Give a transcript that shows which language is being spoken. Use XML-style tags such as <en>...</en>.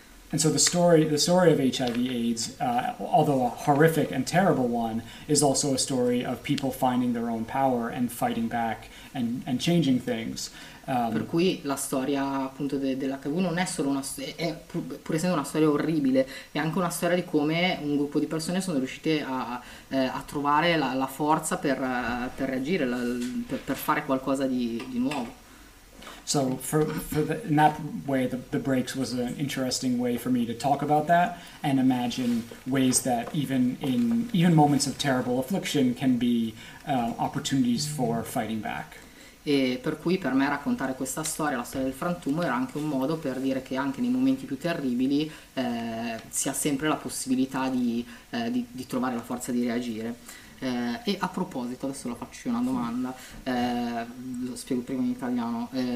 <en>And so the story of HIV/AIDS, although a horrific and terrible one, is also a story of people finding their own power and fighting back and changing things.</en> <it>Per cui la storia appunto dell'HIV non è solo pur essendo una storia orribile, è anche una storia di come un gruppo di persone sono riuscite a trovare la forza per reagire, per fare qualcosa di nuovo.</it> <en>So in that way, the breaks was an interesting way for me to talk about that and imagine ways that even moments of terrible affliction can be opportunities for fighting back.</en> <it>E per cui per me raccontare questa storia, la storia del frantumo, era anche un modo per dire che anche nei momenti più terribili si ha sempre la possibilità di trovare la forza di reagire. E a proposito, adesso la faccio una domanda, lo spiego prima in italiano.</it>